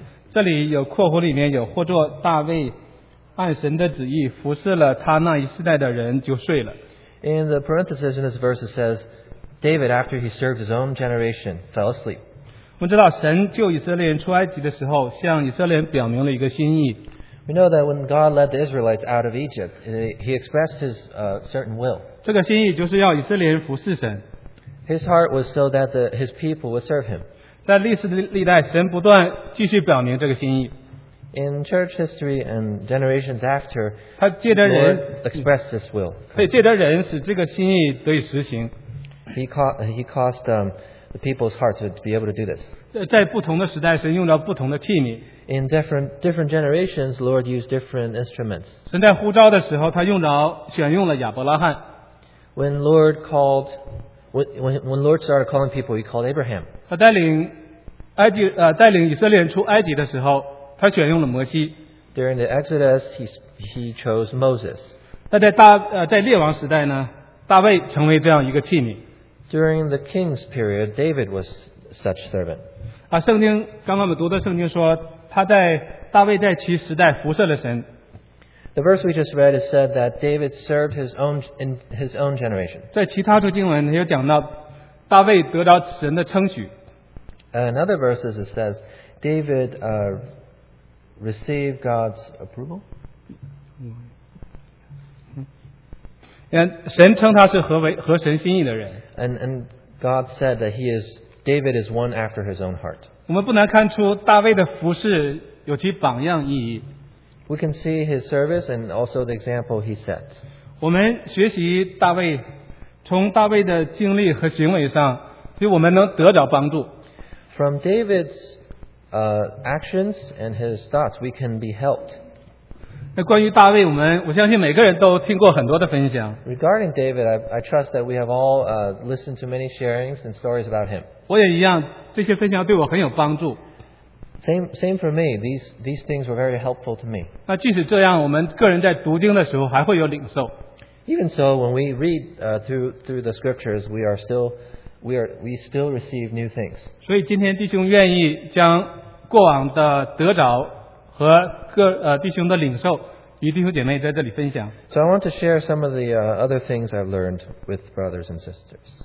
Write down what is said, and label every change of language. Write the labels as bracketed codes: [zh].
[zh] 这里有括弧，里面有或作大卫按神的旨意服侍了他那一世代的人，就睡了。 [en] In the parenthesis in this verse, it says. David, after he served his own generation, fell asleep. [zh] 我们知道神救以色列人出埃及的时候，向以色列人表明了一个心意。 [en] We know that when God led the Israelites out of Egypt, he expressed his certain will. [zh] 这个心意就是要以色列人服侍神。 [en] His heart was so that his people would serve him. [zh] 在历史历代，神不断继续表明这个心意。 [en] In church history and generations after, [zh] 他借着人 [en] Lord expressed this will. [zh] 可以借着人使这个心意得以实行。 [en] He caused the people's heart to be able to do this. [zh] 在不同的时代，神用到不同的器皿。 [en] In different generations, Lord used different instruments. [zh] 神在呼召的时候，他用着选用了亚伯拉罕。 [en] When Lord started calling people, he called Abraham. [zh] 他带领以色列人出埃及的时候，他选用了摩西。 [en] During the Exodus, he chose Moses. [zh] 那在列王时代呢？大卫成为这样一个器皿。 [en] During the king's period, David was such servant. [zh] 圣经刚刚我们读的圣经说，他在大卫在其时代服侍了神。 [en] The verse we just read is said that David served his own generation. [zh] 在其他处经文也讲到，大卫得到神的称许。 [en] Another verse is it says David received God's approval. [zh] 神称他是合神心意的人。 [en] And God said that David is one after his own heart. [zh] 我们不难看出大卫的服事有其榜样意义。 [en] We can see his service and also the example he set. [zh] 我们学习大卫，从大卫的经历和行为上，所以我们能得着帮助。 [en] From David's actions and his thoughts, we can be helped. [zh] 那关于大卫, 我们, [en] Regarding David, I trust that we have all listened to many sharings and stories about him. [zh] 我也一样, [en] Same for me. These things were very helpful to me. [zh] 那即使这样, [en] Even so, when we read through the scriptures, we still receive new things. [zh] 所以今天弟兄愿意将过往的得着和弟兄的领受与弟兄姐妹在这里分享。 [en] So I want to share some of the other things I've learned with brothers and sisters.